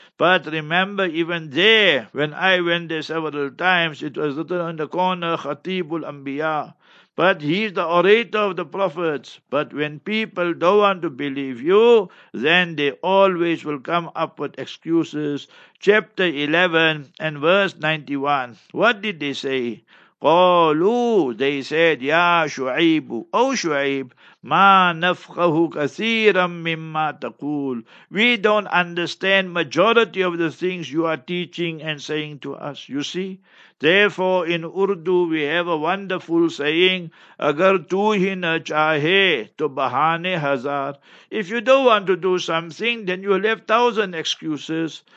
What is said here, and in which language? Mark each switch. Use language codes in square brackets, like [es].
[en] But remember, even there, when I went there several times, it was written on the corner, Khatibul Anbiya. But he is the orator of the prophets. But when people don't want to believe you, then they always will come up with excuses. Chapter 11 and verse 91. What did they say? [ar] قالوا, [en] they said, [ar] يا شعيب, O شعيب, ما نفقه كثيرا مما تقول. [en] We don't understand majority of the things you are teaching and saying to us. You see, therefore in Urdu we have a wonderful saying, [ur] agar tu hi na chahe to bahane hazar. [en] If you don't want to do something, then you will have 1,000 excuses.